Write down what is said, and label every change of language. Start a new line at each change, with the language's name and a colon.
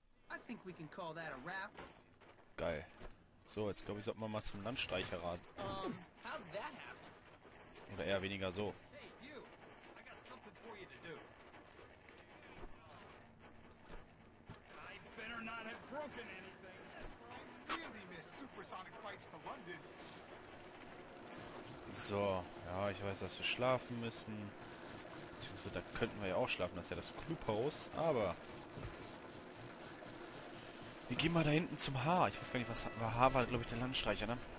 English: I think we can call that a wrap.
German: Geil. So, jetzt glaube ich, sollten wir mal zum Landstreicher rasen.
English: How'd that happen?
German: Oder eher weniger so.
English: Hey, you. I got something for you to do. I better not have broken anything. That's where I really miss supersonic flights to London.
German: So, ja, ich weiß, dass wir schlafen müssen. Beziehungsweise, da könnten wir ja auch schlafen, das ist ja das Clubhaus, aber... Wir gehen mal da hinten zum H. Ich weiß gar nicht, was H war, glaube ich, der Landstreicher, ne?